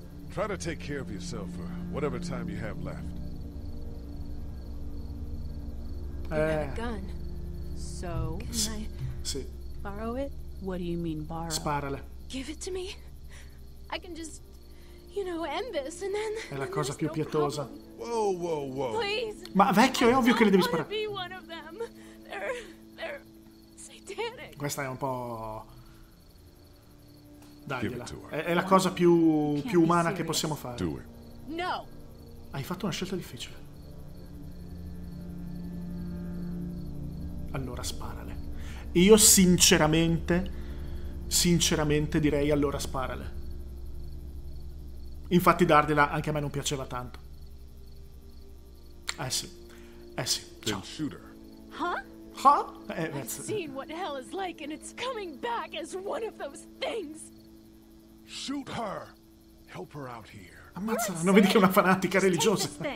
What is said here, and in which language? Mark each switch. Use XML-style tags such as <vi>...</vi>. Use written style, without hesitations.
<en>Try to take care of yourself for whatever time you have left. You have a gun. So, can I borrow it? What do you mean borrow?</en> <it>Sparale.</it> <en>Give it to me. I can just, you know, end this and then.</en> <it>È la cosa più pietosa.</it> <en>Whoa. Please.</en> <it>Ma vecchio, è ovvio che le devi sparare.</it> <en>Be one of them. They're satanic.</en> <it>Questa è un po'. Dagliela. È la cosa più umana che possiamo fare.</it> <en>Do it. No.</en> <it>Hai fatto una scelta difficile. Allora sparale. Io sinceramente direi allora sparale. Infatti dargliela anche a me non piaceva tanto. Eh sì. Ciao.</it> <en>Then shoot her. Huh? I've seen what hell is like and it's coming back as one of those things. Shoot her. Help her out here.</en> <it>Ammazzala, non vedi che è una fanatica religiosa?</it>